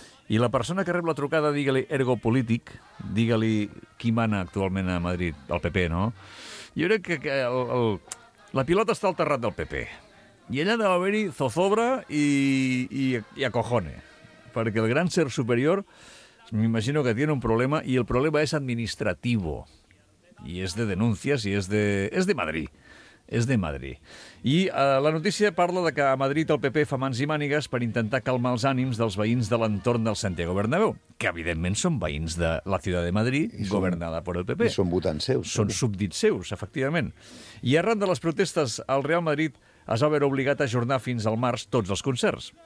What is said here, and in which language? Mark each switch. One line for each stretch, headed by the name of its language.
Catalan: I la persona que rep la trucada, digue-li ergo polític, digue-li qui mana actualment a Madrid, el PP, no? Jo crec que la pilota està al terrat del PP. I allà deu haver-hi zozobra i acojone. Perquè el gran ser superior
Spanish: me imagino que tiene un problema y el problema es administrativo. Y es de denuncias y es de Madrid.
Catalan: És de Madrid. I la notícia parla de que a Madrid el PP fa mans i mànigues per intentar calmar els ànims dels veïns de l'entorn del Santiago Bernabéu, que evidentment són veïns de la ciutat de Madrid, governada per el PP. I són votants seus. Són súbdits seus, efectivament. I arran de les protestes, el Real Madrid es va haver obligat a ajornar fins al març tots els concerts.